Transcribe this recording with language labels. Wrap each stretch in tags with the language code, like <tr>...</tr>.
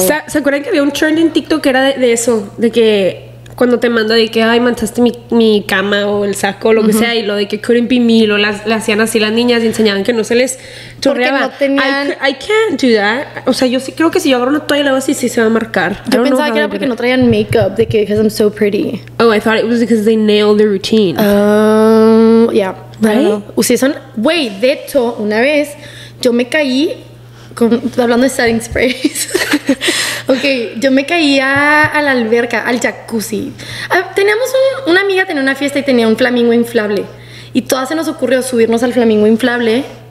<es>¿Se acuerdan que había un trend en TikTok que era de eso? De que cuando te manda de que, ay, manchaste mi cama o el saco o lo que sea. Y lo de que</es> <en>couldn't be me.</en> <es>Lo le hacían así las niñas y enseñaban que no se les chorreaba. Porque no tenían...</es> <en>I can't do that.</en> <es>O sea, yo sí creo que si yo agarro una toalla y la hago así, sí se va a marcar. Yo pensaba que era porque no traían makeup. De que,</es> <en>because I'm so pretty. Oh, I thought it was because they nailed the routine. Yeah. Right?</en> <es>Usé son... Güey, de hecho, una vez yo me caí... hablando de setting sprays. Ok, yo me caía a la alberca, al jacuzzi. Teníamos una amiga tenía una fiesta y tenía un flamingo inflable. Y todas se nos ocurrió subirnos al flamingo inflable.</es>